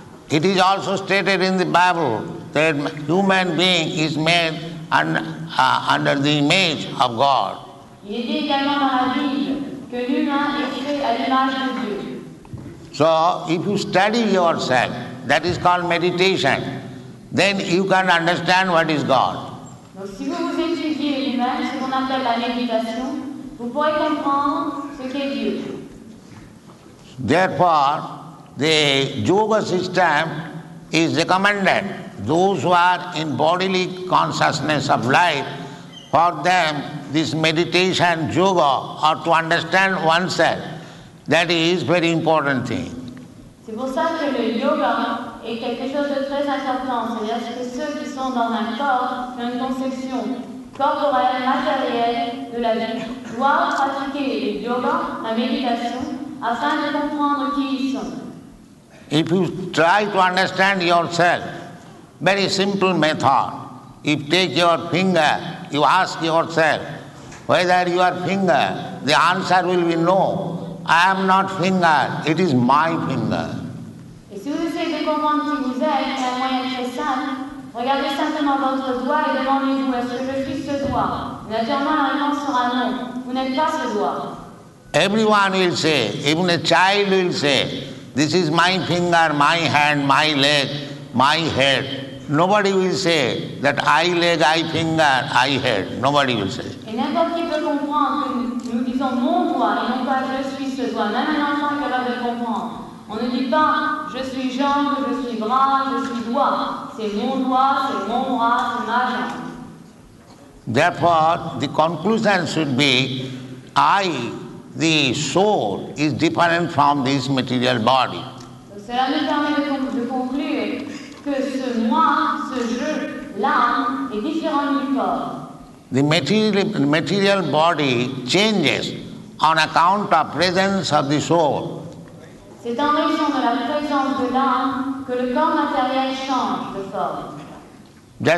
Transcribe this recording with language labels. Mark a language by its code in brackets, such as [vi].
[en] It is also stated in the Bible that human being is made under the image of God. [fr] Il est dit également dans la Bible que l'humain est créé à l'image de Dieu. [en] So, if you study yourself, that is called meditation, then you can understand what is God. [fr] Donc, si vous vous étudiez l'humain, ce qu'on appelle la méditation, vous pourrez comprendre ce qu'est Dieu. [en] Therefore, the yoga system is recommended. Those who are in bodily consciousness of life, for them, this meditation, yoga, or to understand oneself, that is very important thing. [fr] C'est pour ça que le yoga est quelque chose de très important. C'est-à-dire que ceux qui sont dans un corps, une conception corporelle, matérielle de la vie, doivent pratiquer le yoga, la méditation, afin de comprendre qui ils sont. [en] If you try to understand yourself, very simple method. If take your finger, you ask yourself, whether you are finger, the answer will be no. I am not finger, it is my finger. [fr] Et si vous essayez de comprendre qui vous êtes, un moyen très simple, regardez simplement votre doigt et demandez-vous, est-ce que je suis ce doigt? Naturellement, la réponse sera non. Vous n'êtes pas ce doigt. [en] Everyone will say, even a child will say, this is my finger, my hand, my leg, my head. Nobody will say that I leg, I finger, I head. Nobody will say. [fr] Et n'importe qui peut comprendre que nous disons mon doigt et non pas je suis ce doigt. Même un enfant est capable de comprendre. On ne dit pas je suis jambe, je suis bras, je suis doigt. C'est mon doigt, c'est mon bras, c'est ma jambe. [en] Therefore, the conclusion should be I, the soul, is different from this material body. [fr] Donc, cela nous permet de conclure que ce moi, ce je, l'âme, est différent du corps. [en] The material body changes on account of presence of the soul. [fr] C'est en raison de la présence de l'âme que le corps matériel change de forme.